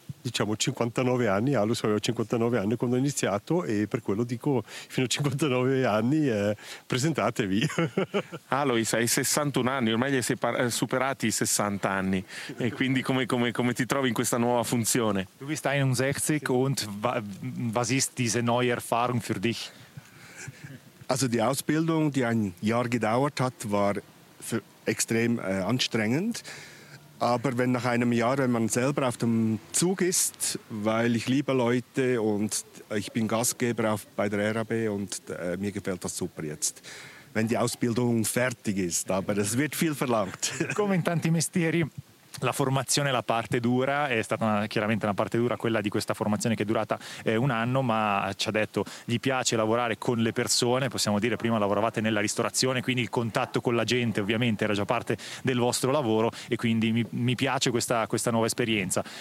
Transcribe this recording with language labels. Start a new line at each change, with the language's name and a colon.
Italian: diciamo 59 anni, Alois aveva 59 anni quando ho iniziato, e per quello dico fino a 59 anni presentatevi. Alois, hai 61 anni, ormai gli hai superati i 60 anni, e quindi come ti trovi in questa nuova funzione?
German: Du bist 61 und was ist diese neue Erfahrung für dich? Also die Ausbildung, die ein Jahr gedauert hat, war extrem anstrengend. Aber wenn nach einem Jahr, wenn man selber auf dem Zug ist, weil ich liebe Leute und ich bin Gastgeber bei der RAB und mir gefällt das super jetzt. Wenn die Ausbildung fertig ist, aber es wird viel verlangt.
Italian: Come in tanti mestieri. La formazione è la parte dura, è stata chiaramente una parte dura quella di questa formazione che è durata un anno, ma ci ha detto gli piace lavorare con le persone, possiamo dire prima lavoravate nella ristorazione, quindi il contatto con la gente ovviamente era già parte del vostro lavoro, e quindi mi piace questa nuova esperienza.